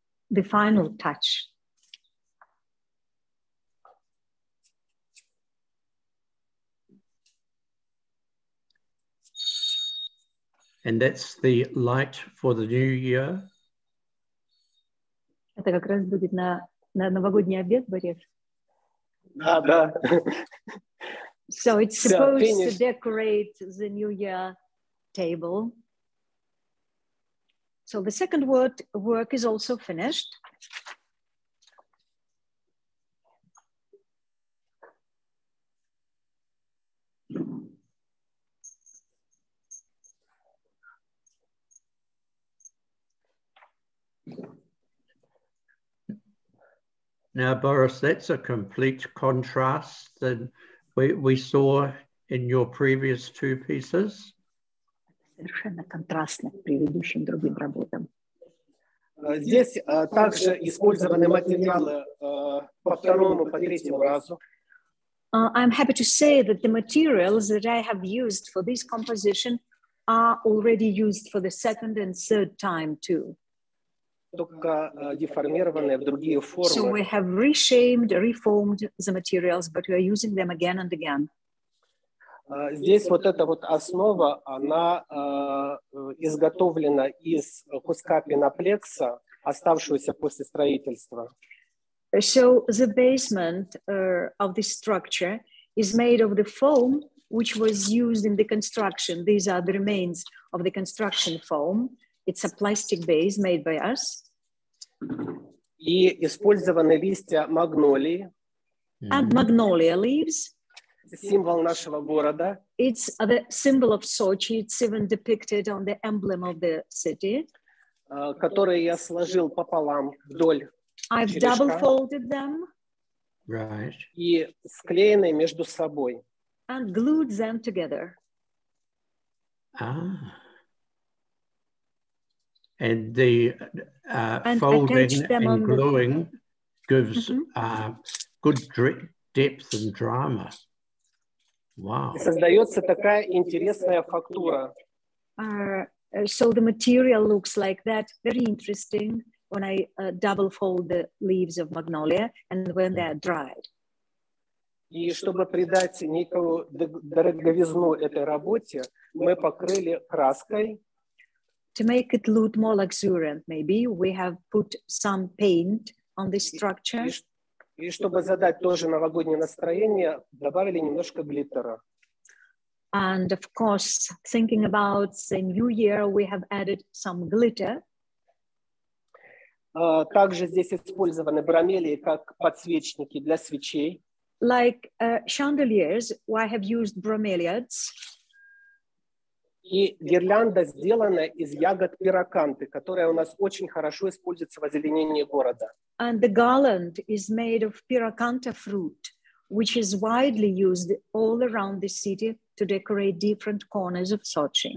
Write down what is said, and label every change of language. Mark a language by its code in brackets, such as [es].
[en] The final touch. And that's the light for the new year. [ru] Это как раз будет на новогодний обед, Борис. Да, да. [en] So it's supposed to decorate the new year table. So the second work is also finished. Now, Boris, that's a complete contrast than we saw in your previous two pieces. [ru] Совершенно контрастно к предыдущим другим работам. Здесь также использованы материалы по второму, по третьему разу. [en] I'm happy to say that the materials that I have used for this composition are already used for the second and third time too. [ru] Только деформированные в другие формы. [en] So we have reshamed, reformed the materials, but we are using them again and again. [ru] Здесь вот эта вот основа, она изготовлена из куска пеноплекса, оставшегося после строительства. [en] So the basement of the structure is made of the foam, which was used in the construction. These are the remains of the construction foam. It's a plastic base made by us. [ru] И использованы листья магнолии. [en] And magnolia leaves. [ru] Символ нашего города. [en] It's the symbol of Sochi. It's even depicted on the emblem of the city. [ru] Которые я сложил пополам вдоль. [en] I've double folded them. Right. [ru] И склеены между собой. [en] And glued them together. Ah. And the and folding and gluing gives good depth and drama. Wow. [ru] Создается такая интересная фактура. [en] So the material looks like that, very interesting, when I double fold the leaves of magnolia and when they are dried. [ru] И чтобы придать некую дороговизну этой работе, мы покрыли краской. [en] To make it look more luxuriant, maybe, we have put some paint on this structure. [ru] И чтобы задать тоже новогоднее настроение, добавили немножко глиттера. [en] And of course, thinking about the new year, we have added some glitter. [ru] Также здесь использованы бромелии как подсвечники для свечей. [en] Like chandeliers, I have used bromeliads. [ru] И гирлянда сделана из ягод пироканты, которая у нас очень хорошо используется в озеленении города. [en] And the garland is made of pirakanta fruit, which is widely used all around the city to decorate different corners of Sochi.